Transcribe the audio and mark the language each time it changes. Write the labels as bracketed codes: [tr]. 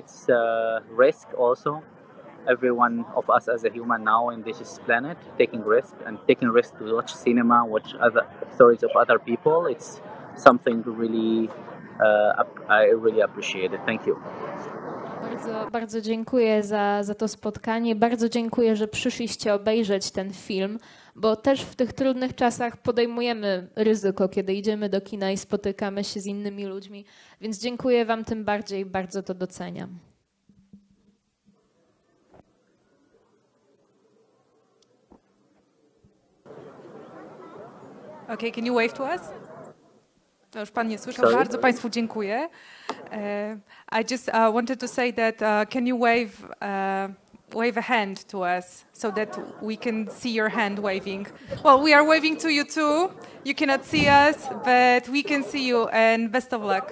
[en] It's a risk also. Everyone of us as a human now in this planet taking risk to watch cinema, watch other stories of other people. It's something really I really appreciate it. Thank you. [pl] Bardzo, bardzo dziękuję za to spotkanie. Bardzo dziękuję, że przyszliście obejrzeć ten film, bo też w tych trudnych czasach podejmujemy ryzyko, kiedy idziemy do kina i spotykamy się z innymi ludźmi. Więc dziękuję wam tym bardziej, bardzo to doceniam. [en] Okay, can you wave to us? No, [pl] już pan nie słyszał. [en] Sorry. [pl] Bardzo państwu dziękuję. [en] I just wanted to say that can you wave a hand to us so that we can see your hand waving? Well, we are waving to you too. You cannot see us, but we can see you, and best of luck.